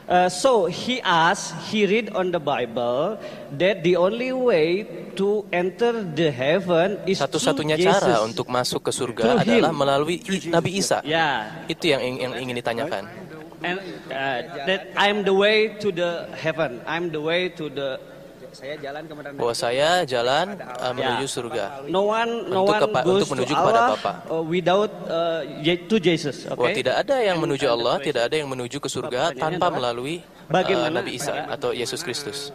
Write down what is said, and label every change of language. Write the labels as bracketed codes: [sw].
[en] So he asked, he read on the Bible that the only way to enter the heaven is [id] satu-satunya cara untuk masuk ke surga adalah melalui Nabi Isa. [en] Yeah. [id] Itu yang ingin ditanyakan. [en] And that I'm the way to the heaven. I'm the way to the. [id] Saya jalan ke mana? Bahwa saya jalan menuju surga. [en] No one goes to Allah without to Jesus. Okay? [id] Bahwa tidak ada yang menuju Allah, tidak ada yang menuju ke surga tanpa melalui Nabi Isa atau Yesus Kristus.